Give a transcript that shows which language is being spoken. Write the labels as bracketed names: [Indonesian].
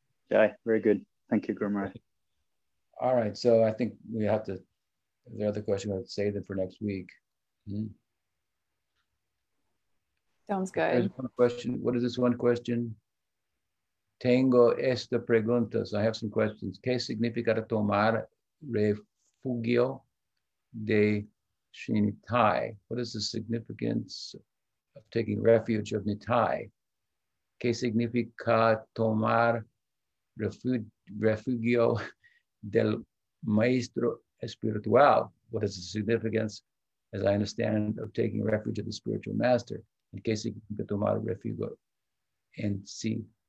[English] Yeah, very good. Thank you, Gurumaraj. All right. So I think we have to, the other question, we'll save them for next week. Sounds good. There's one question. What is this one question? [Spanish] Tengo esta pregunta. [English] So I have some questions. [Spanish] ¿Qué significa tomar refugio de Shinitai? [English] What is the significance of taking refuge of Nitai? [Spanish] ¿Qué significa tomar refugio del maestro espiritual? [English] What is the significance, as I understand, of taking refuge of the spiritual master? [Spanish] ¿En qué significa tomar refugio en sí?